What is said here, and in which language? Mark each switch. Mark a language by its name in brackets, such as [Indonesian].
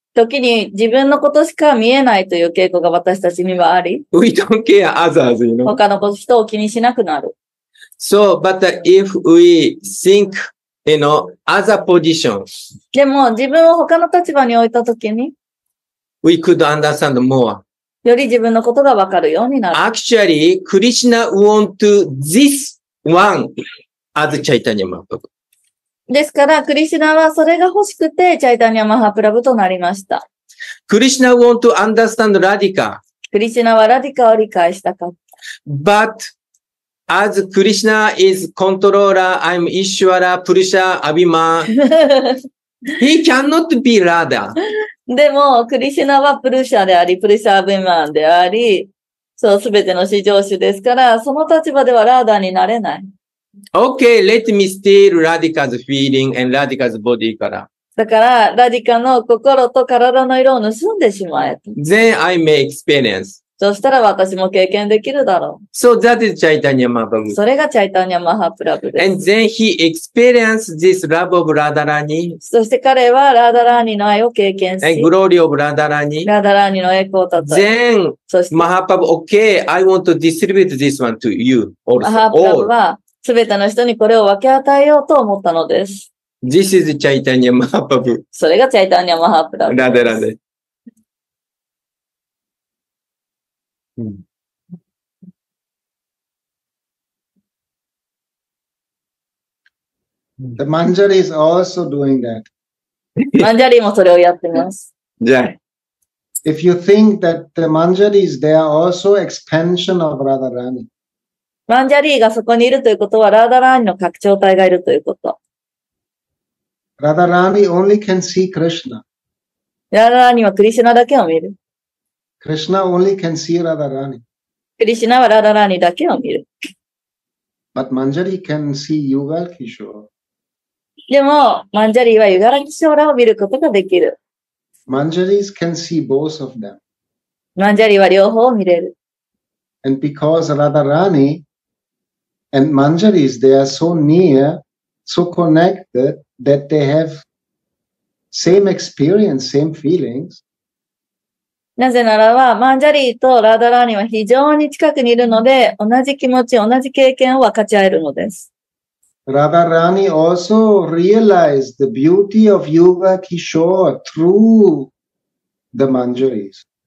[Japanese] 時に自分のことしか見えないという傾向が私たちにはあり。 [English] We don't care others, you know. [Japanese] 他の人を気にしなくなる。 [English] So, but if we think, you know, other positions. [Japanese] でも自分を他の立場に置いた時に。 [English] We could understand more. [Japanese] より自分のことが分かるようになる。 [English] Actually, Krishna want this one as Chaitanya Mahaprabhu. [Japanese] ですから、クリシュナはそれが欲しくて、チャイタニア・マハプラブとなりました。 [English] クリシュナ want to understand Radhika. [Japanese] クリシュナはラディカを理解したかった。 [English] But, as Krishna is controller, I'm Ishwara, Purusha, Abhima, he cannot be Radha. [Japanese] でも、クリシュナはプルシャであり、プルシャ・アビマンであり、そう、すべての至上主ですから、その立場ではラーダになれない。 [English] Okay, let me steal Radhika's feeling and Radhika's body color. [Japanese] だから、ラディカの心と体の色を盗んでしまえ。 [English] Then I may experience. [Japanese] そしたら私も経験できるだろう。 [English] So that is Chaitanya Mahaprabhu. [Japanese] それがチャイタニア・マハプラブです。 [English] And then he experienced this love of Radharani. [Japanese] そして彼はラダラーニの愛を経験し。 [English] And glory of Radharani. [Japanese] ラダラーニの栄光だった。 [English] Then, Mahaprabhu, okay, I want to distribute this one to you also. [Japanese] マハプラブは、すべての人にこれを分け与えようと思ったのです。 [English] This is Chaitanya Mahaprabhu. [Japanese] それがチャイタニア・マハプラブ。ラデラデ。 [English] The Manjari is also doing that. [Japanese] Manjari もそれをやってます。じゃあ。 [English] If you think that the Manjari is there also expansion of Radharani. [Japanese] マンジャリーがそこにいるということは、ラーダラーニの拡張体がいるということ。 [English] ラーダラーニ only can see Krishna. [Japanese] ラーダラーニはクリシュナだけを見る。 [English] クリシュナ only can see ラーダラーニ。 [Japanese] クリシュナはラーダラーニだけを見る。 [English] But マンジャリー can see Yugal Kishore. [Japanese] でも、マンジャリーはユガラキショーラを見ることができる。 [English] マンジャリー can see both of them. [Japanese] マンジャリーは両方を見れる。 [English] And because Radharani and Manjari is there so near, so connected that they have same experience, same feelings. [Japanese] なぜならば、マンジャリとラダラーニは非常に近くにいるので、同じ気持ち、同じ経験を分かち合えるのです。 [English] ラダラーニ also realized the beauty of Yuga Kishore through the Manjaris.